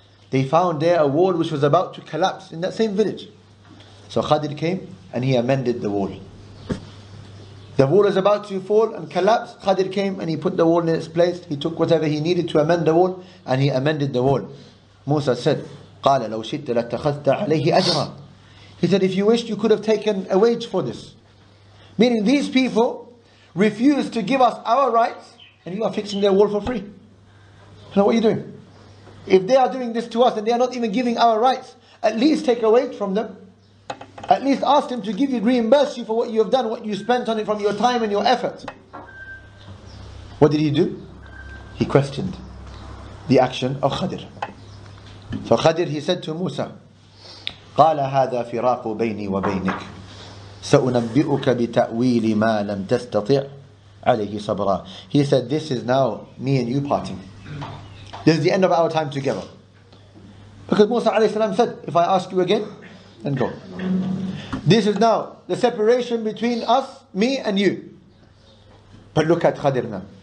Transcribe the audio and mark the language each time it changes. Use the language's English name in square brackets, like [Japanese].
[English] They found there a wall which was about to collapse in that same village. So Khadir came and he amended the wall. The wall is about to fall and collapse. Khadir came and he put the wall in its place. He took whatever he needed to amend the wall and he amended the wall. Musa said, [Arabic] قَالَ لَوْ شِدْتَ لَتَّخَذْتَ عَلَيْهِ أَجْرًا. [English] He said, if you wished, you could have taken a wage for this. Meaning these people refuse to give us our rights and you are fixing their wall for free. So what are you doing? If they are doing this to us and they are not even giving our rights, at least take a wage from them. At least ask them to give you, reimburse you for what you have done, what you spent on it from your time and your effort. What did he do? He questioned the action of Khadir. So Khadir, he said to Musa, [Arabic] قَالَ هَذَا فِرَاقُ بَيْنِي وَبَيْنِكَ سَأُنَبِّئُكَ بِتَأْوِيلِ مَا لَمْ تَسْتَطِعْ عَلَيْهِ صَبْرًا. [English] He said, this is now me and you parting. This is the end of our time together. Because Musa alayhi salam said, if I ask you again, then go. This is now the separation between us, me and you. But look at Khadir now.